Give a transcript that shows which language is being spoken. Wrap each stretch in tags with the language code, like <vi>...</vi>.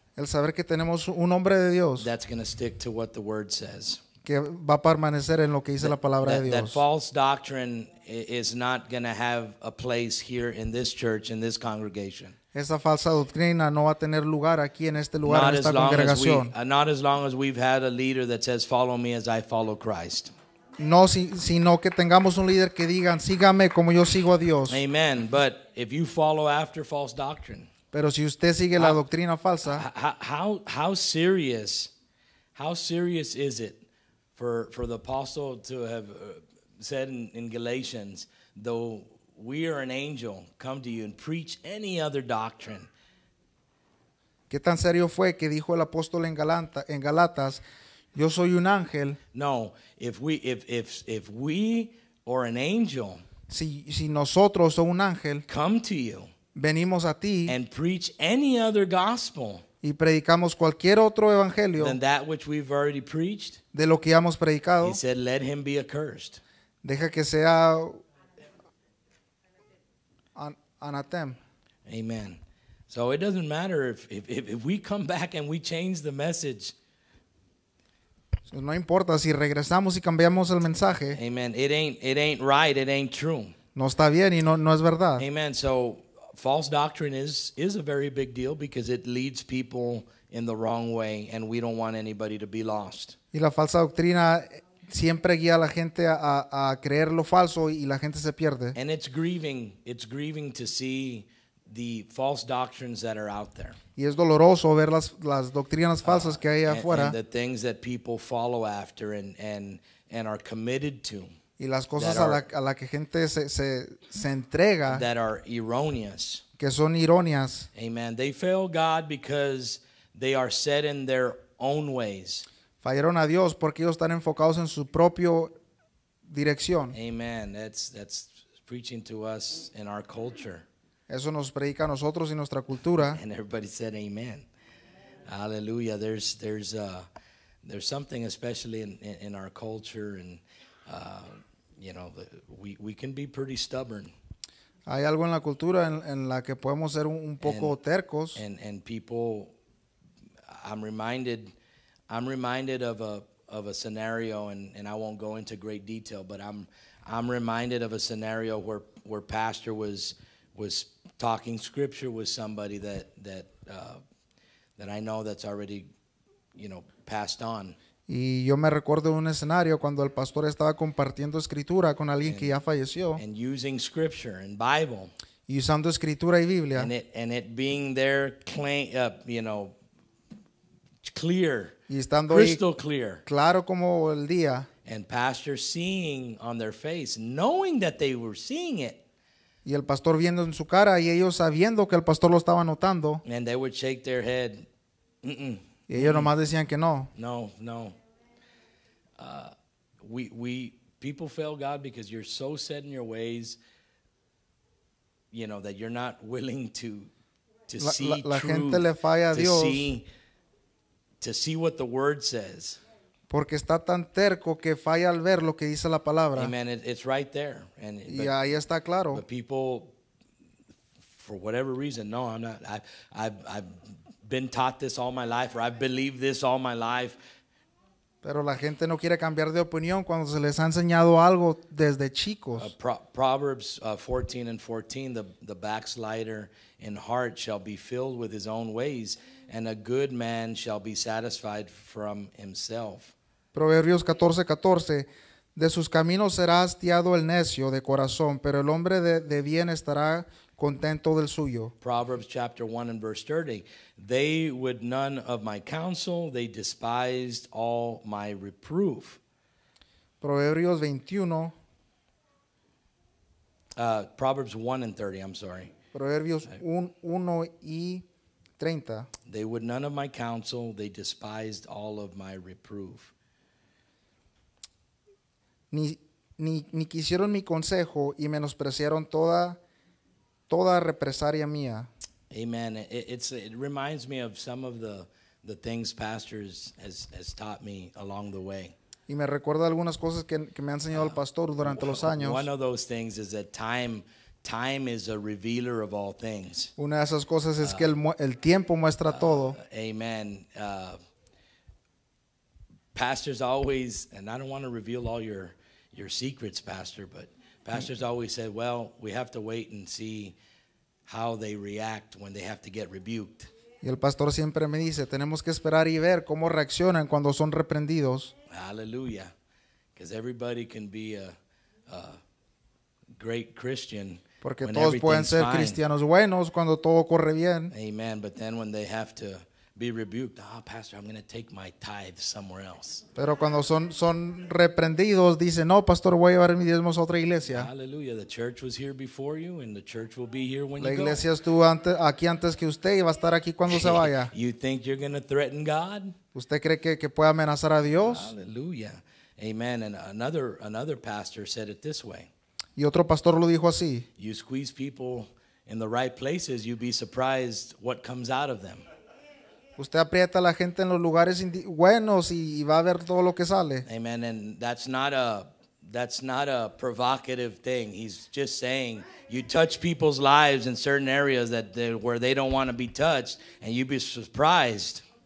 <es>El saber que tenemos un hombre de Dios.</es> <en>That's going to stick to what the word says.</en> <es>Que va a permanecer en lo que dice la palabra de Dios.</es> <en>That false doctrine is not going to have a place here in this church, in this congregation.</en> <es>Esa falsa doctrina no va a tener lugar aquí en este lugar, en esta congregación.</es> <en>Not as long as we've had a leader that says, follow me as I follow Christ.</en> <es>No, sino que tengamos un líder que digan, sígame como yo sigo a Dios.</es> <en>Amen. But if you follow after false doctrine.</en> <es>Pero si usted sigue la doctrina falsa.</es> <en>How serious is it for the apostle to have said in Galatians, though we are an angel, come to you and preach any other doctrine.</en> <es>¿Qué tan serio fue que dijo el apóstol en Galatas, yo soy un ángel?</es> <en>No, if we or an angel,</en> <es>si nosotros o un ángel,</es> <en>come to you,</en> <es>venimos a ti,</es> <en>and preach any other gospel,</en> <es>y predicamos cualquier otro evangelio,</es> <en>than that which we've already preached,</en> <es>de lo que ya hemos predicado,</es> <en>he said, let him be accursed.</en> <es>Deja que sea anatem.</es> <en>Amen. So it doesn't matter if we come back and we change the message.</en> <es>No importa si regresamos y cambiamos el mensaje.</es> <en>Amen. It ain't right. It ain't true.</en> <es>No está bien y no es verdad.</es> <en>Amen. So false doctrine is a very big deal because it leads people in the wrong way, and we don't want anybody to be lost.</en> <es>Y la falsa doctrina siempre guía a la gente a creer lo falso y la gente se pierde.</es> <en>And it's grieving to see the false doctrines that are out there.</en> <es>Y es doloroso ver las doctrinas falsas que hay afuera.</es> <en>And the things that people follow after and are committed to.</en> <es>Y las cosas a la que gente se entrega.</es> <en>That are erroneous.</en> <es>Que son erróneas.</es> <en>Amen. They fail God because they are set in their own ways.</en> <es>Fallaron a Dios porque ellos están enfocados en su propia dirección.</es> <en>Amen. That's preaching to us in our culture.</en> <es>Eso nos predica a nosotros y nuestra cultura.</es> <en>And everybody said amen. Hallelujah. There's something especially in our culture, and you know, we can be pretty stubborn.</en> <es>Hay algo en la cultura en la que podemos ser un poco tercos.</es> <en>And people, I'm reminded of a scenario, and I won't go into great detail, but I'm reminded of a scenario where pastor was talking scripture with somebody that I know that's already, you know, passed on.</en> <es>Y yo me recuerdo un escenario cuando el pastor estaba compartiendo escritura con alguien que ya falleció.</es> <en>And using scripture and Bible.</en> <es>Y usando escritura y Biblia.</es> <en>And it being their claim, you know, clear.</en> <es>Y estando</es> <en>crystal</en> <es>ahí,</es> <en>clear.</en> <es>Claro como el día.</es> <en>And pastor seeing on their face, knowing that they were seeing it.</en> <es>Y el pastor viendo en su cara y ellos sabiendo que el pastor lo estaba notando.</es> <en>And they would shake their head. Mm-mm.</en> <es>Y ellos nomás decían que no. No.</es> <en>We people fail God because you're so set in your ways, you know, that you're not willing to la, see la, truth.</en> <es>La gente le falla a Dios.</es> <en>To see what the word says.</en> <es>Porque está tan terco que falla al ver lo que dice la palabra.</es> <en>Amen. It's right there. And,</en> <es>y</es> <en>but,</en> <es>ahí está claro.</es> <en>But people, for whatever reason, no, I'm not. I've been taught this all my life, or I've believed this all my life.</en> <es>Pero la gente no quiere cambiar de opinión cuando se les ha enseñado algo desde chicos.</es> <en>Proverbs 14:14, the backslider in heart shall be filled with his own ways, and a good man shall be satisfied from himself.</en> <es>Proverbios 14:14, de sus caminos será hastiado el necio de corazón, pero el hombre de bien estará contento del suyo.</es> <en>Proverbs chapter 1 and verse 30, they would none of my counsel, they despised all my reproof.</en> <es>Proverbios 21,</es> <en>Proverbs 1 and 30, I'm sorry.</en> <es>Proverbios 1 y 30.</es> <en>They would none of my counsel, they despised all of my reproof.</en> <es>Ni quisieron mi consejo y menospreciaron toda represalia mía.</es> <en>Amen. It reminds me of some of the things pastors has taught me along the way.</en> <es>Y me recuerda algunas cosas que me ha enseñado el pastor durante los años.</es> <en>One of those things is that time is a revealer of all things.</en> <es>Una de esas cosas es que el tiempo muestra todo.</es> <en>Amen. Pastors always, and I don't want to reveal all your secrets, pastor, but pastors always said, well, we have to wait and see how they react when they have to get rebuked.</en> <es>Y el pastor siempre me dice, tenemos que esperar y ver cómo reaccionan cuando son reprendidos.</es> <en>Hallelujah. Because everybody can be a great Christian.</en> <es>Porque todos pueden ser cristianos buenos cuando todo corre bien.</es> <en>Amen. But then when they have to be rebuked, oh, pastor, I'm going to take my tithe somewhere else.</en> <es>Pero cuando son reprendidos, dicen, no, pastor, voy a llevar mis diezmos a otra iglesia.</es> <en>Hallelujah. The church was here before you, and the church will be here when you go.</en> <es>La iglesia estuvo aquí antes que usted y va a estar aquí cuando se vaya.</es> <en>You think you're going to threaten God?</en> <es>¿Usted cree que puede amenazar a Dios?</es> <en>Hallelujah. Amen. And another pastor said it this way. Y otro pastor lo dijo así. You squeeze people in the right places, you'd be surprised what comes out of them. Usted aprieta a la gente en los lugares buenos y va a ver todo lo que sale. Amen. And that's not a provocative thing. He's just saying you touch people's lives in certain areas that where they don't want to be touched, and you'd be surprised.</en>